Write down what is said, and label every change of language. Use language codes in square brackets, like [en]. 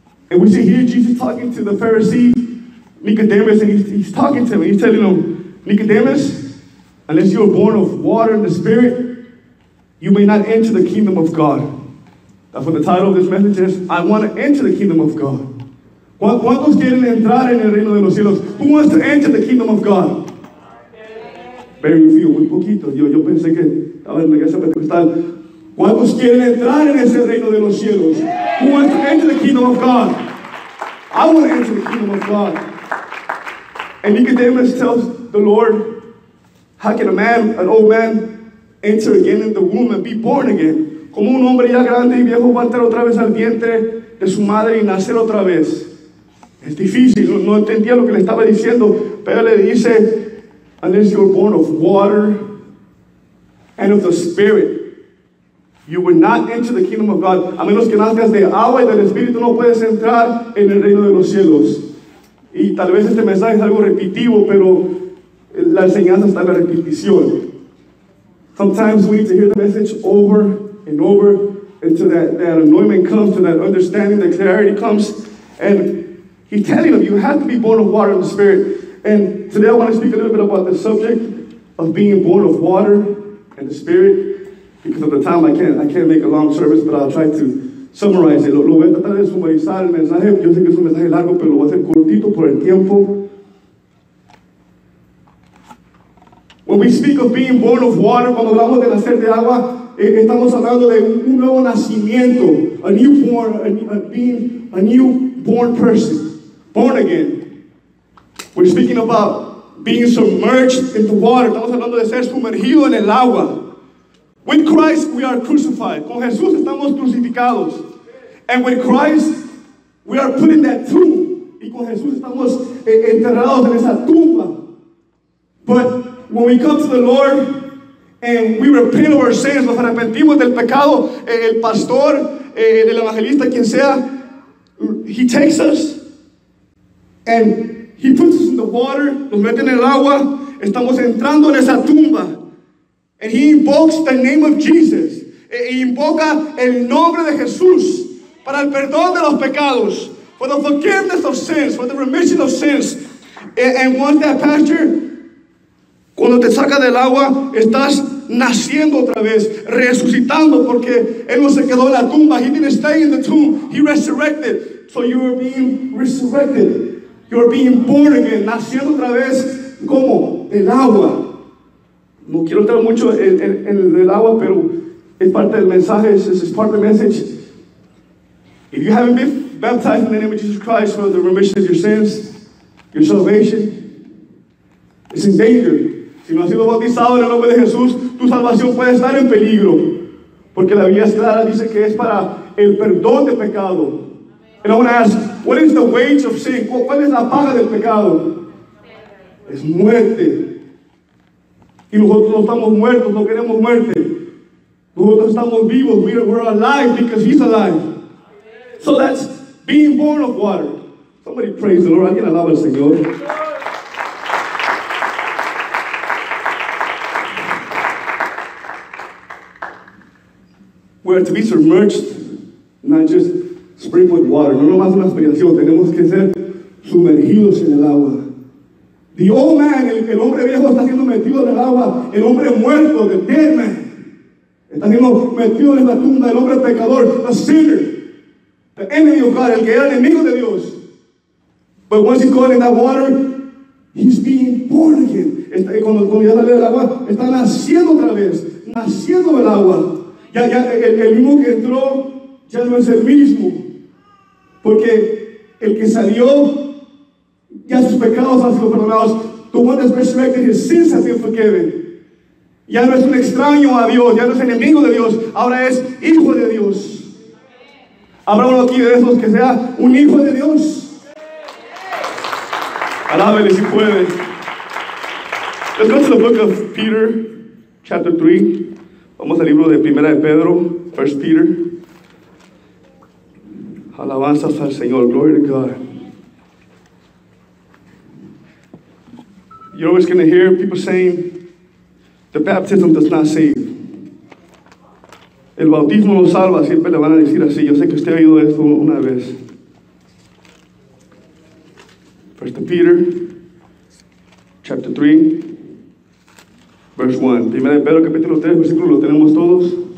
[en] And we see here Jesus talking to the Pharisee, Nicodemus, and he's talking to him. He's telling him, Nicodemus, unless you are born of water and the Spirit, you may not enter the kingdom of God. That's what the title of this message is. I want to enter the kingdom of God. [es] ¿Cuántos quieren entrar en el reino de los cielos? [en] Who wants to enter the kingdom of God? Very few, [es] muy poquito. Yo pensé que, a ver, en la iglesia Pentecostal, ¿Cuántos quieren entrar en ese reino de los cielos? [en] Who wants to enter the kingdom of God? I want to enter the kingdom of God. And Nicodemus tells the Lord, how can a man, an old man, enter again in the womb and be born again? [es] ¿Cómo un hombre ya grande y viejo va a entrar otra vez al vientre de su madre y nacer otra vez? Es difícil, no entendía lo que le estaba diciendo, pero le dice, [en] unless you're born of water and of the Spirit, you will not enter the kingdom of God. [es] A menos que nazcas de agua y del Espíritu, no puedes entrar en el reino de los cielos. Y tal vez este mensaje es algo repetitivo, pero la enseñanza está en la repetición. [en] Sometimes we need to hear the message over and over until that anointment comes, until that understanding, that clarity comes. And he's telling them, you have to be born of water and the Spirit. And today I want to speak a little bit about the subject of being born of water and the Spirit. Because of the time, I can't make a long service, but I'll try to summarize it. [es] Lo voy a tratar de sumarizar el mensaje. Yo sé que es un mensaje largo, pero lo voy a hacer cortito por el tiempo. [en] When we speak of being born of water, [es] cuando hablamos de nacer de agua, estamos hablando de un nuevo nacimiento, [en] a new born person, born again. We're speaking about being submerged in the water. [es] Estamos hablando de ser sumergido en el agua. [en] With Christ, we are crucified. [es] Con Jesús estamos crucificados. [en] And with Christ, we are put in that tomb. [es] Y con Jesús estamos enterrados en esa tumba. [en] But when we come to the Lord and we repent of our sins, [es] nos arrepentimos del pecado, el pastor, el evangelista, quien sea, [en] he takes us and he puts us in the water, [es] nos mete en el agua, estamos entrando en esa tumba. [en] And he invokes the name of Jesus. [es] E invoca el nombre de Jesús para el perdón de los pecados, [en] for the forgiveness of sins, for the remission of sins. And once that pastor, [es] cuando te saca del agua, estás naciendo otra vez, resucitando, porque él no se quedó en la tumba. [en] He didn't stay in the tomb. He resurrected. So you are being resurrected. You are being born again, [es] naciendo otra vez, ¿cómo? Del agua. No quiero entrar mucho en el agua, pero es parte del mensaje. [en] This is part of the message. If you haven't been baptized in the name of Jesus Christ for the remission of your sins, your salvation, it's in danger. [es] Si no has sido bautizado en el nombre de Jesús, tu salvación puede estar en peligro. Porque la Biblia es clara, dice que es para el perdón de pecado. [en] And I want to ask, what is the wage of sin? [es] ¿Cuál es la paga del pecado? Es muerte. Y nosotros no estamos muertos, no queremos muerte. Nosotros estamos vivos, [en] we're alive because he's alive. So that's being born of water. Somebody praise the Lord, [es] alguien alaba al Señor. [en] We are to be submerged, not just sprinkled with water. [es] No nomás una aspiración, tenemos que ser sumergidos en el agua. [en] The old man, [es] el hombre viejo está siendo metido en el agua, el hombre muerto, [en] the dead man, [es] está siendo metido en la tumba, el hombre pecador, [en] the sinner, the enemy of God, [es] el que era enemigo de Dios. [en] But once he's gone in that water, he's being born again. [es] Está, cuando ya sale del agua, está naciendo otra vez, naciendo del agua. Ya el mismo que entró, ya no es el mismo, porque el que salió, ya sus pecados han sido perdonados. [en] The one that's resurrected, his sins have been forgiven. [es] Ya no es un extraño a Dios, ya no es enemigo de Dios, ahora es hijo de Dios. Habrá uno aquí de esos que sea un hijo de Dios. Alábele si puede. [en] Let's go to the book of Peter, chapter 3. [es] Vamos al libro de Primera de Pedro, [en] 1 Peter. [es] Alabanzas al Señor, [en] glory to God. You're always going to hear people saying, the baptism does not save. [es] El bautismo no salva, siempre le van a decir así. Yo sé que usted ha oído esto una vez. [en] 1 Peter, chapter 3, verse 1. [es] Primera de Pedro, capítulo 3, versículo, lo tenemos todos.